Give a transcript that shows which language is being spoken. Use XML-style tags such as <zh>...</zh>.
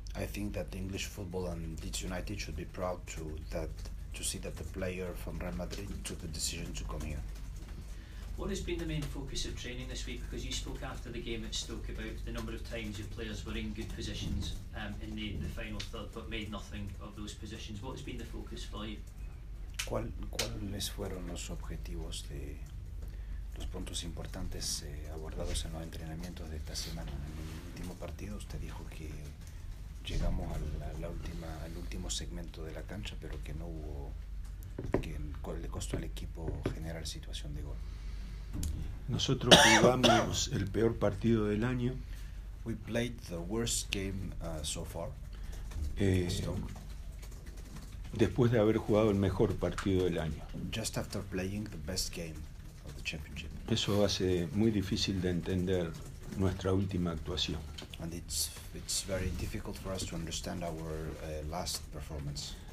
<en>I think that the English football and Leeds United should be proud to see that the player from Real Madrid took the decision to come here. What has been the main focus of training this week? Because you spoke after the game at Stoke about the number of times your players were in good positions in the final third but made nothing of those positions. What has been the focus for you?</en> <es>¿Cuáles fueron los objetivos de los puntos importantes abordados en los entrenamientos de esta semana? En el último partido usted dijo que llegamos al último segmento de la cancha, pero que no hubo, que le costó al equipo generar situación de gol. Nosotros jugamos el peor partido del año.</es> <en>We played the worst game so far.</en> <es>Después de haber jugado el mejor partido del año.</es> <en>Just after playing the best game of the Championship.</en> <es>Eso hace muy difícil de entender nuestra última actuación.</es> <en>And it's very difficult for us to understand our last performance.</en>